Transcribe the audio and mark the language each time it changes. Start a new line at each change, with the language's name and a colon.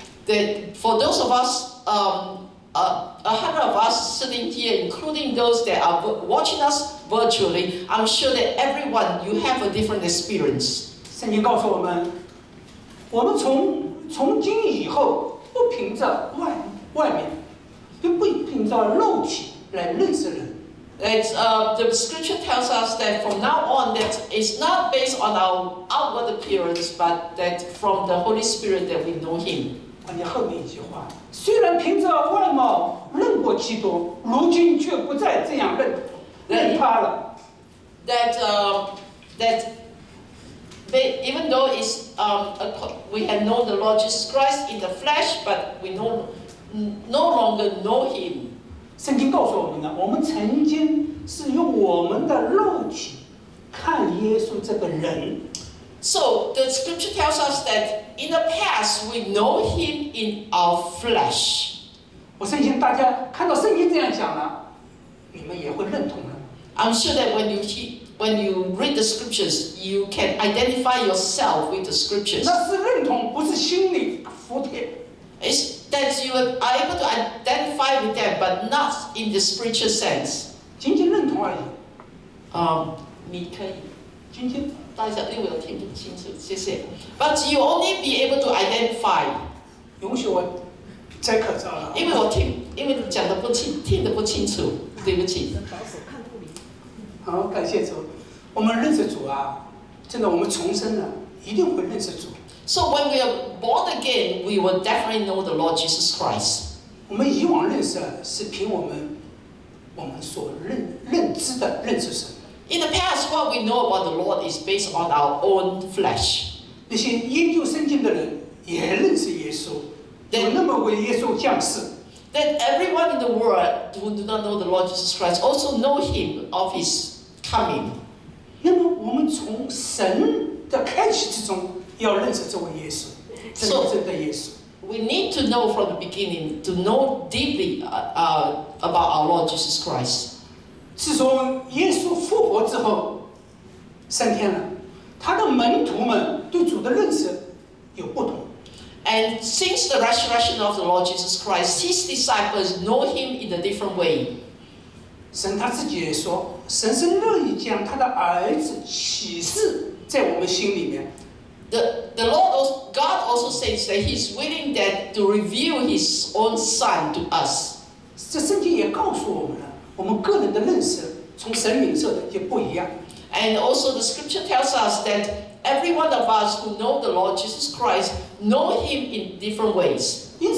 English: That for those of us a hundred of us sitting here, including those that are watching us virtually, I'm sure that everyone, you have a different experience.
Chinese: 圣经告诉我们，我们从今以后不凭着外面，就不凭着肉体来认识人。
English: It's, the scripture tells us that from now on, that it's not based on our outward appearance, but that from the Holy Spirit that we know Him.
Chinese: 关键后面一句话，虽然凭着外貌认过基督，如今却不再这样认他了。
English: That even though is we have known the Lord Jesus Christ in the flesh, but we no longer know Him.
Chinese: 圣经告诉我们呢，我们曾经是用我们的肉体看耶稣这个人。
English: So the scripture tells us that in the past we know him in our flesh.
Chinese: 我相信大家看到圣经这样讲了，你们也会认同了。
English: I'm sure that when you read the scriptures, you can identify yourself with the scriptures.
Chinese: 那是认同，不是心里服帖。
English: It's that you are able to identify with them, but not in the spiritual sense.
Chinese: 仅仅认同而已。你可以。仅仅。大家因为我听不清楚，谢谢。
English: But you only be able to identify.
Chinese: 允许我再咳嗽了。因为我听，因为讲的不清，听得不清楚，对不起。好，感谢主。我们认识主啊，真的，我们重生了，一定会认识主。
English: So when we are born again, we will definitely know the Lord Jesus Christ.
Chinese: 我们以往认识是凭我们所认知的认识神。
English: In the past, what we know about the Lord is based on our own flesh.
Chinese: 那些研究圣经的人也认识耶稣，有那么位耶稣降世。
English: That everyone in the world who do not know the Lord Jesus Christ also know Him of His coming.
Chinese: 那么我们从神的开启之中要认识这位耶稣，真正的耶稣。
English: We need to know from the beginning to know deeply about our Lord Jesus Christ.
Chinese: 自从耶稣复活之后，三天了，他的门徒们对主的认识有不同。
English: And since the resurrection of the Lord Jesus Christ, his disciples know him in a different way.
Chinese: 神他自己也说，神是乐意将他的儿子启示在我们心里面。
English: The Lord God also says that he's willing that to reveal his own son to us.
Chinese: 这圣经也告诉我们了。我们个人的认识从神领受也不一样。
English: And also the scripture tells us that every one of us who know the Lord Jesus Christ know him in different ways.